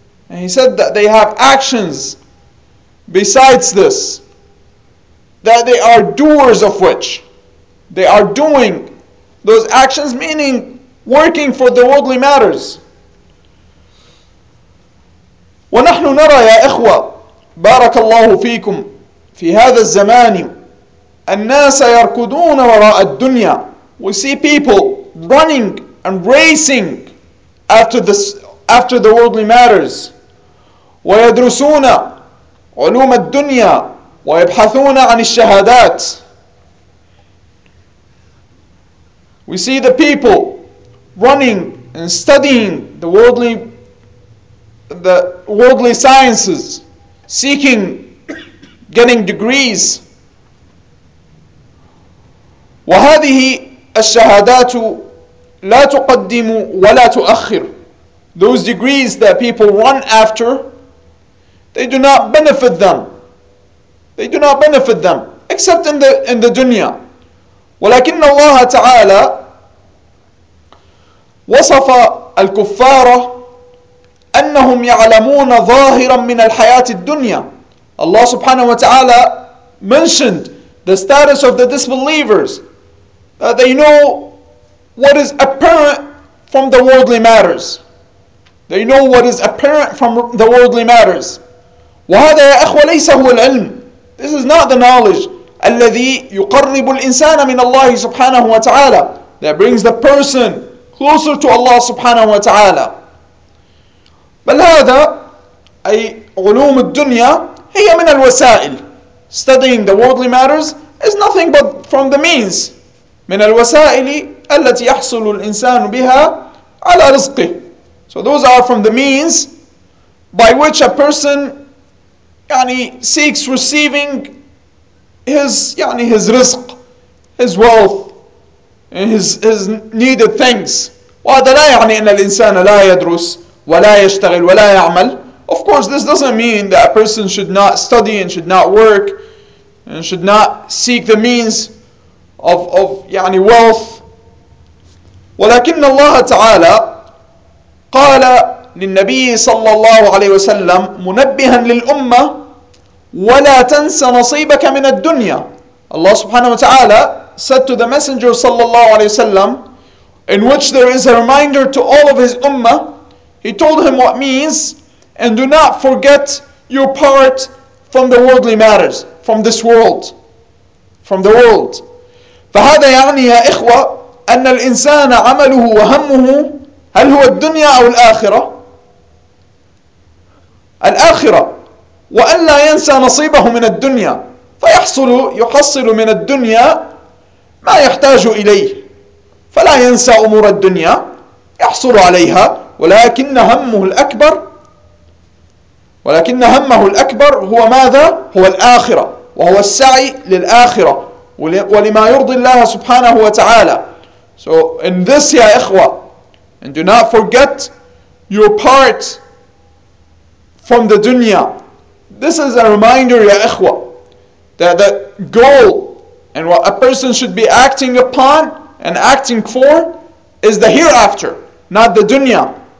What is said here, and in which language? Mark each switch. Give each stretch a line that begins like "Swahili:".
English: And he said that they have actions besides this, that they are doers of which. They are doing those actions, meaning working for the worldly matters.
Arabic: ونحن نرى يا إخوة بارك الله فيكم في هذا الزمان الناس يركضون وراء الدنيا.
English: We see people running and racing after the worldly matters.
Arabic: ويدرسون علوم الدنيا ويبحثون عن الشهادات.
English: We see the people running and studying the worldly sciences, seeking getting degrees.
Arabic: وهذه الشهادات لا تقدم ولا تؤخر.
English: Those degrees that people run after, they do not benefit them. They do not benefit them except in the dunya.
Arabic: ولكن الله تعالى وصف الكفار أنهم يعلمون ظاهرا من الحياة الدنيا.
English: Allah subhanahu wa ta'ala mentioned the status of the disbelievers, that they know what is apparent from the worldly matters. They know what is apparent from the worldly matters.
Arabic: وهذا يا أخوة ليس هو العلم.
English: This is not the knowledge
Arabic: الذي يقرب الإنسان من الله سبحانه وتعالى,
English: that brings the person closer to Allah subhanahu wa ta'ala.
Arabic: بل هذا أي علوم الدنيا هي من الوسائل.
English: studying the worldly matters is nothing but from the means.
Arabic: من الوسائل التي يحصل الإنسان بها على رزقه.
English: So those are from the means by which a person يعني seeks receiving his يعني his رزق, his wealth, and his needed things.
Arabic: وهذا لا يعني أن الإنسان لا يدرس ولا يشتغل ولا يعمل.
English: Of course, this doesn't mean that a person should not study and should not work and should not seek the means of يعني wealth.
Arabic: ولكن الله تعالى قال للنبي صلى الله عليه وسلم منبها للأمة ولا تنس نصيبك من الدنيا.
English: الله سبحانه وتعالى said to the messenger صلى الله عليه وسلم, in which there is a reminder to all of his ummah, he told him what means, and do not forget your part from the worldly matters, from this world, from the world.
Arabic: فهذا يعني يا إخوة أن الإنسان عمله وهمه هل هو الدنيا أو الآخرة؟ الآخرة. وأن لا ينسى نصيبه من الدنيا فيحصل يحصل من الدنيا ما يحتاج إليه, فلا ينسى أمور الدنيا يحصل عليها, ولكن همه الأكبر هو ماذا؟ هو الآخرة, وهو السعي للآخرة ولما يرضي الله سبحانه وتعالى.
English: So in this
Arabic: يا إخوة,
English: and do not forget your part from the dunya. This is a reminder
Arabic: يا إخوة,
English: that the goal and what a person should be acting upon and acting for is the hereafter, not the dunya.